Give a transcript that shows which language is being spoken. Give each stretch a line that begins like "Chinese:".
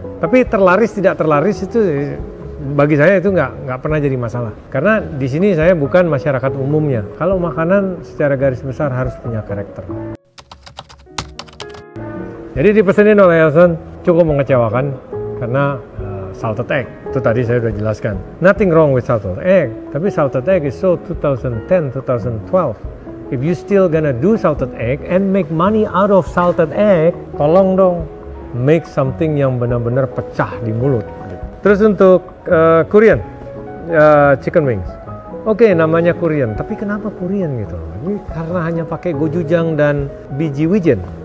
Indonesian: Tapi terlaris tidak terlaris itu bagi saya itu nggak pernah jadi masalah, karena di sini saya bukan masyarakat umumnya. Kalau makanan secara garis besar harus punya karakter. Jadi dipesenin oleh Elson cukup mengecewakan karena salted egg itu tadi saya sudah jelaskan.
English: Nothing wrong with salted egg, tapi salted egg is so 2010-2012. If you still gonna do salted egg and make money out of salted egg,
Indonesian: tolong dong.
English: Make something
Indonesian: yang benar-benar pecah di mulut. Terus untuk Korean, chicken wings. Oke, namanya Korean, tapi kenapa Korean gitu? Ini karena hanya pakai gochujang dan biji wijen.